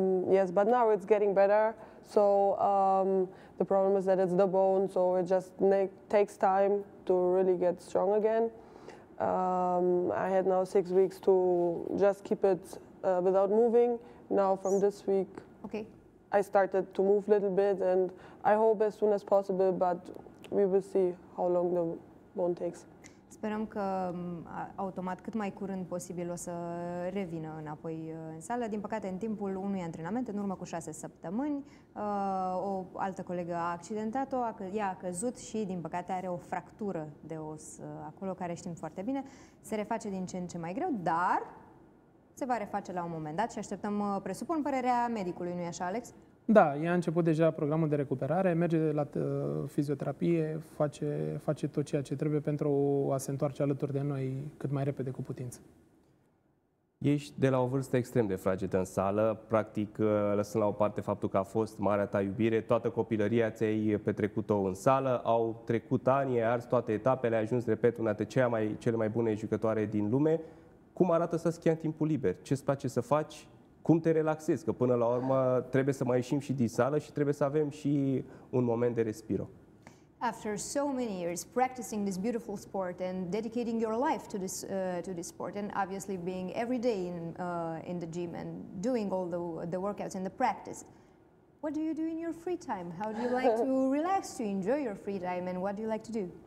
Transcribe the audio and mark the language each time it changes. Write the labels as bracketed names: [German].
[English] yes, but now it's getting better. So the problem is that it's the bone, so it just takes time to really get strong again. I had now 6 weeks to just keep it without moving. Now from this week, okay, I started to move a little bit, and I hope as soon as possible, but we will see how long the bone takes. [Romanian] Sperăm că automat cât mai curând posibil o să revină înapoi în sală. Din păcate, în timpul unui antrenament, în urmă cu 6 săptămâni, o altă colegă a accidentat-o, ea a căzut și, din păcate, are o fractură de os acolo, care știm foarte bine. Se reface din ce în ce mai greu, dar se va reface la un moment dat și așteptăm, presupun, părerea medicului, nu-i așa, Alex? Da, ea a început deja programul de recuperare, merge la fizioterapie, face tot ceea ce trebuie pentru a se întoarce alături de noi cât mai repede cu putință. Ești de la o vârstă extrem de fragedă în sală, practic lăsând la o parte faptul că a fost marea ta iubire, toată copilăria ți-ai petrecut-o în sală, au trecut ani, ai ars toate etapele, ai ajuns, repet, una dintre cele mai bune jucătoare din lume. Cum arată să schia în timpul liber? Ce-ți place să faci? Cum te relaxezi? Că până la urmă trebuie să mai ieșim și din sală și trebuie să avem și un moment de respiro. [English] After so many years practicing this beautiful sport and dedicating your life to this sport and obviously being every day in the gym and doing all the workouts and the practice, what do you do in your free time? How do you like to relax, to enjoy your free time, and what do you like to do?